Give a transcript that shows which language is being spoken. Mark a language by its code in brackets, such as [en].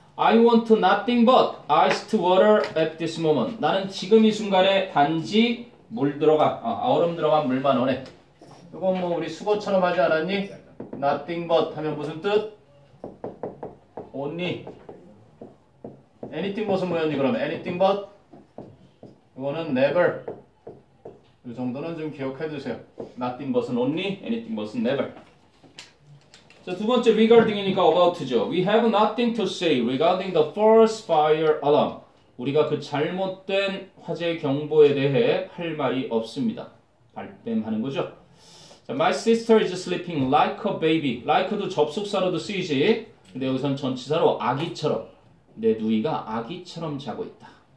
[en] I want nothing but iced water at this moment. [ko] 나는 지금 이 순간에 단지 물 들어가. 얼음 들어간 물만 원해. 이건 뭐 우리 수고처럼 하지 않았니? nothing but 하면 무슨 뜻? only. anything but은 뭐였니 그럼? anything but? 이거는 never. 이 정도는 좀 기억해 두세요. nothing but은 only, anything but은 never. 자, 두 번째 regarding이니까 about죠. [en] We have nothing to say regarding the first fire alarm. [ko] 우리가 그 잘못된 화재 경보에 대해 할 말이 없습니다. 발뺌하는 거죠. [en] My sister is sleeping like a baby. [ko] Like도 접속사로도 쓰이지. 근데 여기선 전치사로 아기처럼. 내 누이가 아기처럼 자고 있다.